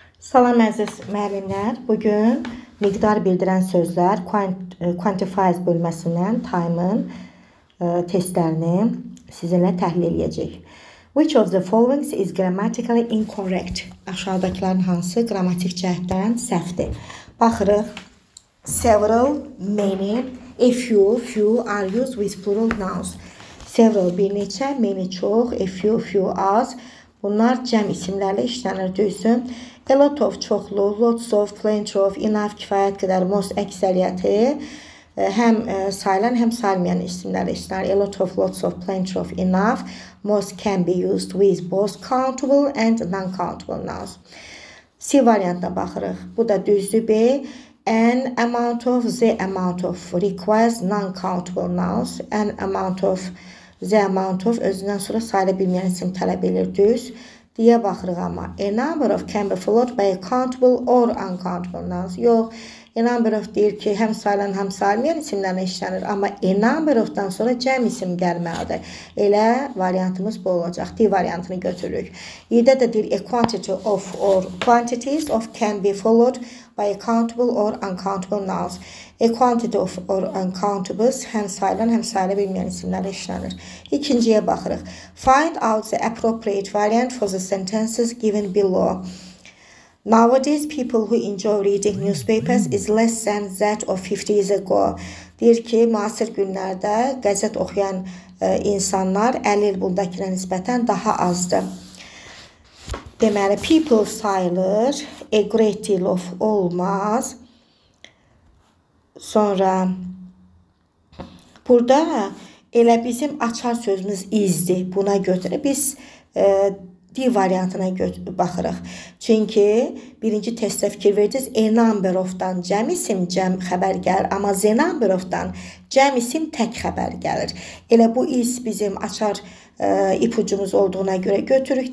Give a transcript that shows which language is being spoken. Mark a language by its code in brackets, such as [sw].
[az] Salam əziz müəllimlər, bugün miqdar bildirən sözlər Quantifiers bölməsindən Time-ın testlərini sizinlə təhlil edəcək. [en] Which of the following is grammatically incorrect? [az] Aşağıdakıların hansı qrammatik cəhətdən səhvdir? Baxırıq. [en] Several, many, a few, few are used with plural nouns. Several, bir neçə, many çox, a few, few az. [az] Bunlar cəm isimlərlə işlənir, düzdür. A lot of çoxlu, lots of, plenty of, enough kifayət qədər, most əksəriyyəti həm sayılan, həm sayılmayan isimlərlə işlənir. [en] A lot of, lots of, plenty of, enough, most can be used with both countable and non-countable nouns. [az] C variantına baxırıq. Bu da düzdür, B. [en] An amount of, the amount of, requires non-countable nouns. [az] An amount of, the amount of, özündən sonra sayıla bilməyən isim tələb edir, düz. Deyə baxırıq ama. [en] A number of can be followed by a countable or uncountable nouns. [az] Yox, a number of deyir ki, həm sayılan, həm sayılmayan isimlərlə işlənir. Ama a number of'dan sonra cəm isim gəlməlidir. Elə variantımız bu olacaq. D variantını götürürük. İdə də deyir, [en] a quantity of or quantities of can be followed by a countable or uncountable nouns. [az] A quantity of or uncountables həm sayılan, həm sayılı bilməyən isimlərlə işlənir. İkinciyə baxırıq. [en] Find out the appropriate variant for the sentences given below. Nowadays, people who enjoy reading newspapers is less than that of 50 years ago. [az] Deyir ki, müasir günlərdə qəzət oxuyan insanlar 50 il bundakilə nisbətən daha azdır. Deməli, people sayılır, a great deal of olmaz. Sonra, burada elə bizim açar sözümüz izdir. Buna götürə biz D variantına baxırıq. Çünki birinci testdə fikir verdiniz, a number of'dan cəm isim cəm xəbər gəlir. Amma z number of'dan cəm isim tək xəbər gəlir. Elə bu is bizim açar ipucumuz olduğuna görə götürük.